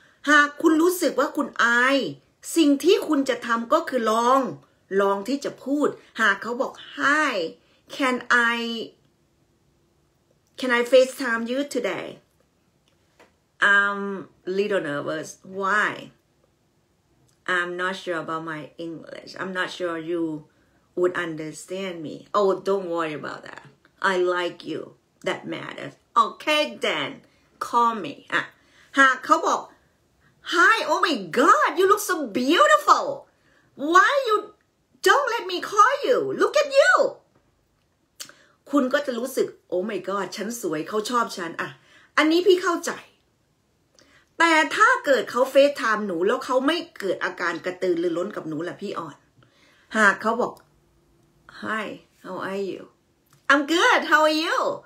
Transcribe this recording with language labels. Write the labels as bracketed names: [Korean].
[Thai] หากคุณรู้สึกว่าคุณอายสิ่งที่คุณจะทำก็คือลองที่จะพูดหากเขาบอก [English] Hi can I FaceTime you today I'm little nervous why I'm not sure about my English I'm not sure youwould understand me. Oh, don't worry about that. I like you. That matters. Okay, then. Call me. [Thai] หากเขาบอก [English] Hi, oh my god, you look so beautiful. Why you don't let me call you? Look at you. [Thai] คุณก็จะรู้สึก [English] Oh my god, [Thai] ฉันสวยเขาชอบฉันอ่ะอันนี้พี่เข้าใจแต่ถ้าเกิดเขา FaceTime หนูแล้วเขาไม่เกิดอาการกระตือรือร้นกับหนูล่ะพี่อ่อนหากเขาบอก [English] Hi, how are you? [Thai] I'm good. How are you?